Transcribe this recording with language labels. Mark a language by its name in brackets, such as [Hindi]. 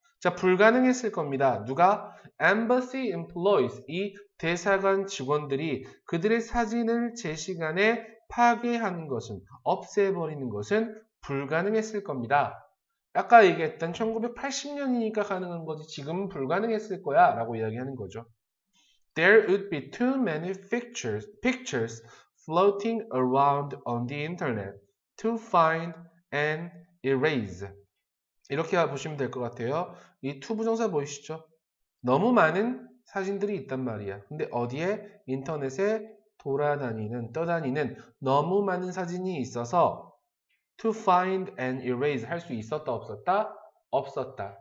[Korean] 자, 불가능했을 겁니다. 누가? [English] Embassy employees. [Korean] 이 대사관 직원들이 그들의 사진을 제 시간에 파괴하는 것은, 없애버리는 것은 불가능했을 겁니다. 아까 얘기했던 1980년이니까 가능한 거지. 지금은 불가능했을 거야. 라고 이야기하는 거죠. [English] There would be too many pictures floating around on the internet to find and erase. [Korean] 이렇게 보시면 될것 같아요. 이 to 부정사 보이시죠? 너무 많은 사진들이 있단 말이야. 근데 어디에? 인터넷에 돌아다니는, 떠다니는 너무 많은 사진이 있어서 [English] to find and erase [Korean] 할수 있었다, 없었다? 없었다.